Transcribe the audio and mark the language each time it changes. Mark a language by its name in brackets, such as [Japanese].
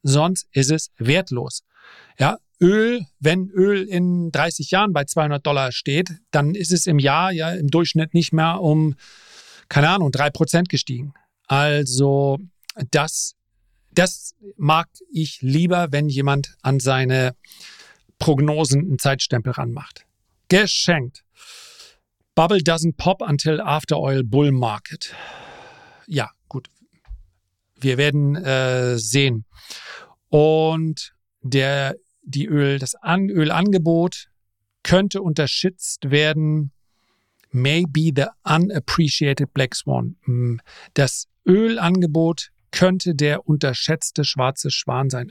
[German] Sonst ist es wertlos. Ja. Öl, wenn Öl in 30 Jahren bei $200 steht, dann ist es im Jahr ja im Durchschnitt nicht mehr um, keine Ahnung, 3% gestiegen. Also das mag ich lieber, wenn jemand an seine Prognosen einen Zeitstempel ranmacht. Geschenkt. [English] Bubble doesn't pop until after oil bull market. [German] Ja, gut. Wir werden sehen. Und das Ölangebot könnte unterschätzt werden. [English] Maybe the unappreciated black swan. [German] Das Ölangebot könnte der unterschätzte schwarze Schwan sein.